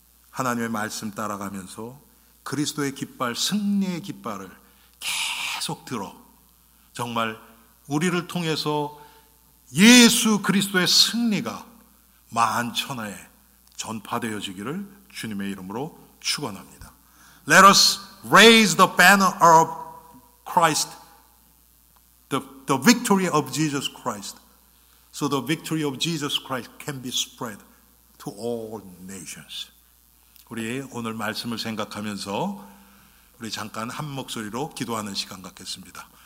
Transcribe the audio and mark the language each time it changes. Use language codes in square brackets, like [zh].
[ko] 하나님의 말씀 따라가면서 그리스도의 깃발, 승리의 깃발을 계속 들어 정말 우리를 통해서 예수 그리스도의 승리가 만천하에 전파되어지기를 주님의 이름으로 축원합니다. [en] Let us raise the banner of Christ, the victory of Jesus Christ, so the victory of Jesus Christ can be spread to all nations. [ko] 우리 오늘 말씀을 생각하면서 우리 잠깐 한 목소리로 기도하는 시간 갖겠습니다.